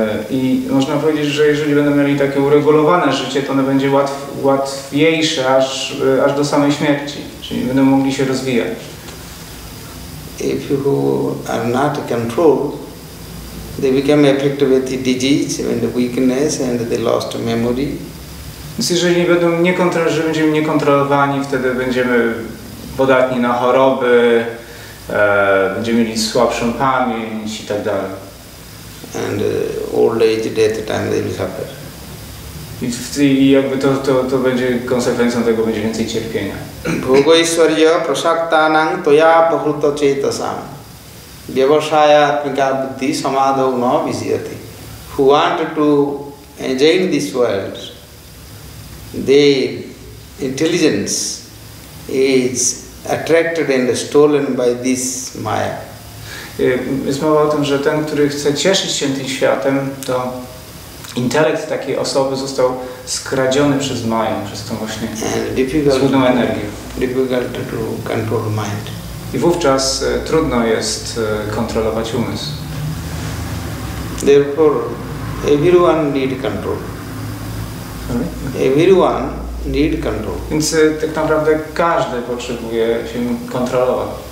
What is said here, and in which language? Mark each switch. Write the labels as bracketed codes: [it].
[pl] I można powiedzieć, że jeżeli będą mieli takie uregulowane życie, to ono będzie łatwiejsze aż do samej śmierci. Czyli będą mogli się rozwijać. [en] If you are not controlled, they become affected with the disease and the weakness and they lost memory. [pl] Więc jeżeli będą niekontrolowani, wtedy będziemy podatni na choroby, będziemy mieli słabszą pamięć i tak dalej. [en] And old age, death time, they will suffer. [pl] I jakby to będzie konsekwencją tego, będzie więcej cierpienia. [sa] Bhogaiśvarya prasaktanam toya bahuta cetasam vyavasaya atmika buddhi samadho na visyati. [en] Who want to enjoy this world, their intelligence is attracted and stolen by this maya. [pl] jest mowa o tym, że ten, który chce cieszyć się tym światem, to intelekt takiej osoby został skradziony przez mają, przez tą właśnie złudną energię. [en] Difficult to control mind. [pl] I wówczas trudno jest kontrolować umysł. [en] Therefore, everyone need control. Everyone need control. [pl] Więc tak naprawdę każdy potrzebuje się kontrolować.